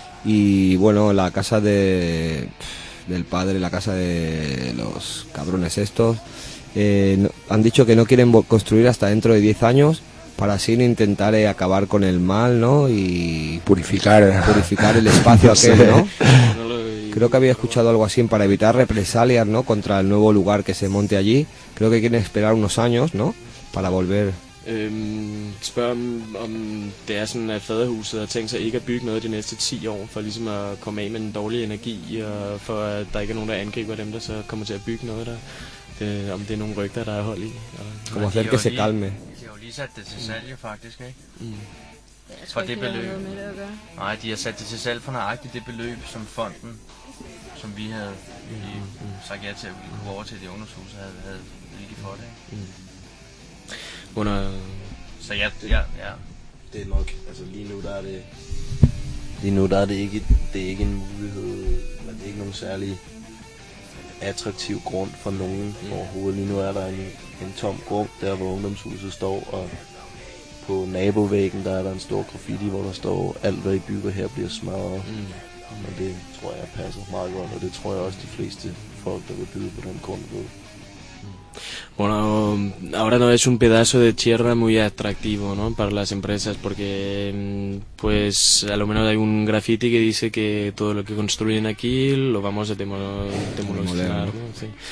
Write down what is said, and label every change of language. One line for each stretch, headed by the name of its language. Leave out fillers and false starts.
Spanish: Y, bueno, la casa del padre, la casa de los cabrones estos, no, han dicho que no quieren construir hasta dentro de 10 años, para así intentar acabar con el mal, ¿no? Y purificar el espacio aquel, ¿no? Creo que había escuchado algo así, para evitar represalias, ¿no? Contra el nuevo lugar que se monte allí. Creo que quieren esperar unos años, ¿no? Para volver.
Danish: Spørger om det er sådan, at faderhuset har tænkt sig ikke at bygge noget de næste 10 år, for ligesom at komme af med en dårlig energi, og for at der ikke er nogen, der angriber dem, der så kommer til at bygge noget der. Om det er nogle rygter, der er hold i. Kommer selv ikke at se kalme med. De har jo lige sat det til salg, jo faktisk, ikke? Mm. For det beløb. Nej, de har sat det til salg for nøjagtigt det beløb, som fonden, som vi havde sagt ja til, at vi kunne overtage det ungdomshuset, havde ligget for det. Under... Så ja. Det er nok, altså lige nu der er det. Lige nu der er det ikke. Det er ikke en mulighed. Men det er ikke nogen særlig attraktiv grund for nogen overhovedet. Lige nu er der en tom grund der, hvor ungdomshuset står. Og på nabovæggen der er der en stor graffiti, hvor der står: alt hvad I bygger her bliver smadret. Men det tror jeg passer meget godt. Og det tror jeg også de fleste folk, der vil byde på den grund, ved.
Spanish: Bueno, ahora no es un pedazo de tierra muy atractivo, ¿no? Para las empresas, porque pues a lo menos hay un graffiti que dice que todo lo que construyen aquí lo vamos a demolicionar, ¿no? Sí.